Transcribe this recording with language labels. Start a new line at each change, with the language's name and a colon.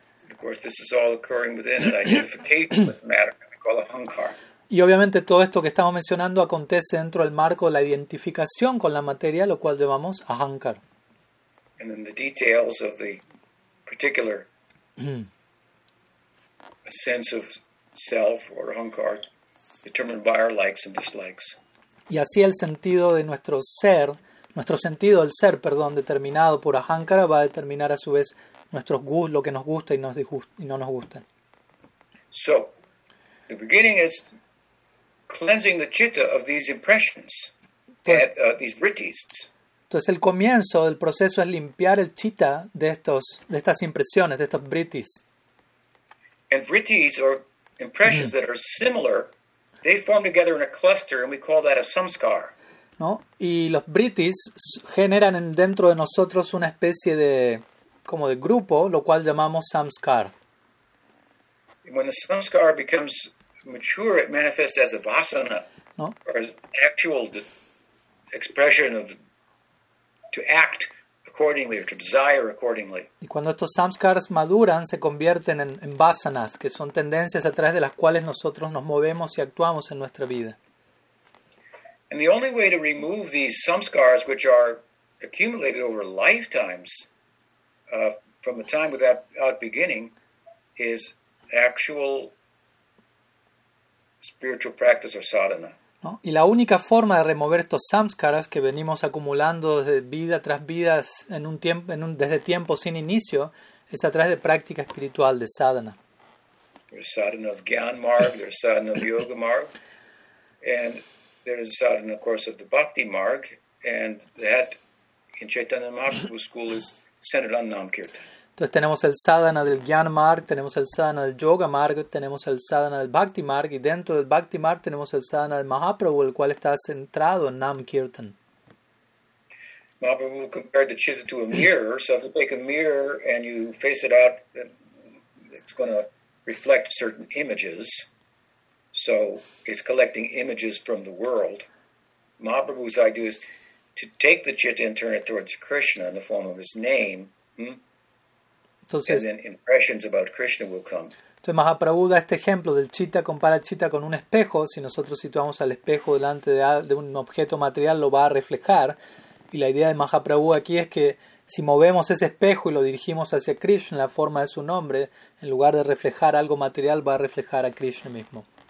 English: Of course, this is all occurring within an identification with matter, we call it ahankara.
Spanish: Y obviamente todo esto que estamos mencionando acontece dentro del marco de la identificación con la materia, lo cual llamamos ahankar.
English: And then the details of the particular sense of self or ahankar determined by our likes and dislikes.
Spanish: Y así el sentido de nuestro ser, nuestro sentido del ser, perdón, determinado por ahankara va a determinar a su vez nuestros gustos, lo que nos gusta y no nos gusta.
English: So, the beginning is cleansing the chitta of these impressions, these vrittis.
Spanish: Entonces, el comienzo del proceso es limpiar el chitta de estas impresiones, de estos vrittis.
English: And vrittis are impressions that are similar. They form together in a cluster and we call that a samskara.
Spanish: ¿No? Y los vrittis generan dentro de nosotros una especie de como de grupo, lo cual llamamos samskar.
English: When the samskar becomes mature, it manifests as a vasana,
Spanish: ¿no?
English: Or as actual expression of to act accordingly or to desire accordingly.
Spanish: Y cuando estos samskars maduran, se convierten en vasanas, que son tendencias a través de las cuales nosotros nos movemos y actuamos en nuestra vida.
English: And the only way to remove these samskars, which are accumulated over lifetimes, from a time without beginning, is actual spiritual practice or sadhana.
Spanish: ¿No? Y la única forma de remover estos samskaras que venimos acumulando desde vida tras vida desde tiempo sin inicio es a través de práctica espiritual de sadhana.
English: There's sadhana of Gyan Marg, there's sadhana of Yoga Marg, and there's sadhana, of course, of the Bhakti Marg, and that in Chaitanya Mahaprabhu's school is centered on Nam Kirtan.
Spanish: Entonces tenemos el sadhana del Gyan Marg, tenemos el sadhana del Yoga Marg, tenemos el sadhana del Bhakti Marg, y dentro del Bhakti Marg tenemos el sadhana del Mahaprabhu, el cual está centrado en Nam Kirtan.
English: Mahaprabhu compared the chitta to a mirror, so if you take a mirror and you face it out, it's going to reflect certain images. So it's collecting images from the world. Mahaprabhu's idea is to take the chitta and turn it towards Krishna in the form of his name.
Spanish: Entonces,
English: and then impressions about Krishna will come.
Spanish: Entonces Mahaprabhu da este ejemplo del chitta, compara el chitta con un espejo. Si nosotros situamos al espejo delante de un objeto material, lo va a reflejar. Y la idea de Mahaprabhu aquí es que si movemos ese espejo y lo dirigimos hacia Krishna, la forma de su nombre, en lugar de reflejar algo material, va a reflejar a Krishna mismo.